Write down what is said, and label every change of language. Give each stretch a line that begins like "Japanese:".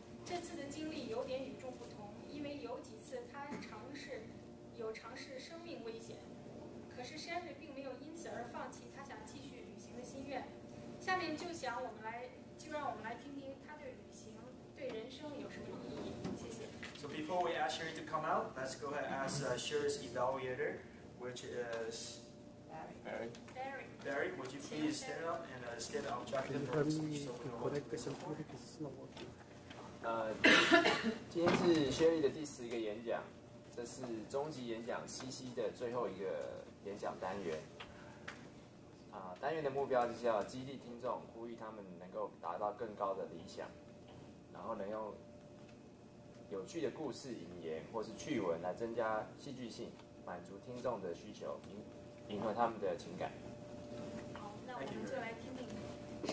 Chinese: 这次的经历有点与众不同，因为有几次他尝试生命危险，可是 Sherry 并没有因此而放弃他想继续旅行的心愿。下面就让我们来听听他对旅行、对人生有什么意义。谢谢。
English: So before we ask Sherry to come out, let's go ahead and ask Sherry's evaluator, which is Barry. Would you please stand up and state the objective for this speech so we know what to do for?
Chinese: 今天是 Sherry 的第十个演讲，这是终极演讲CC的最后一个演讲单元。单元的目标就是要激励听众，呼吁他们能够达到更高的理想，然后能用有趣的故事、引言或是趣闻来增加戏剧性，满足听众的需求，迎合他们的情感。好，那我们就来听听